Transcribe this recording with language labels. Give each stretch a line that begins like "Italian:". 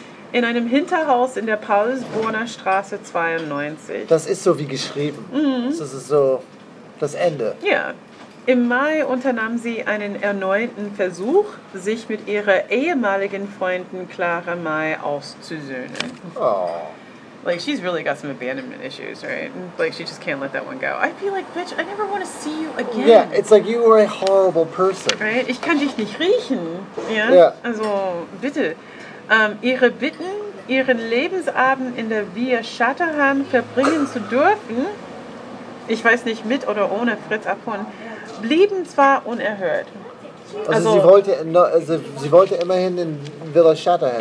German: In einem Hinterhaus in der Paulsborner Straße 92. Das ist so wie geschrieben. Mhm. Das ist so das Ende. Ja. Im Mai unternahm sie einen erneuten Versuch, sich mit ihrer ehemaligen Freundin Clara May auszusöhnen.
English: Oh. Like, she's really got some abandonment issues, right? Like, she just can't let that one go. I'd be like, bitch, I never want to see you again. Yeah, it's like you were a horrible person. Right?
German: Ich kann dich nicht riechen. Ja?
English: Yeah.
German: Also, bitte. Ihre Bitten, ihren Lebensabend in der Via Chatterham verbringen zu dürfen, ich weiß nicht, mit oder ohne Fritz Apphund, blieben zwar unerhört. Also sie wollte immerhin in Villa Chatterham.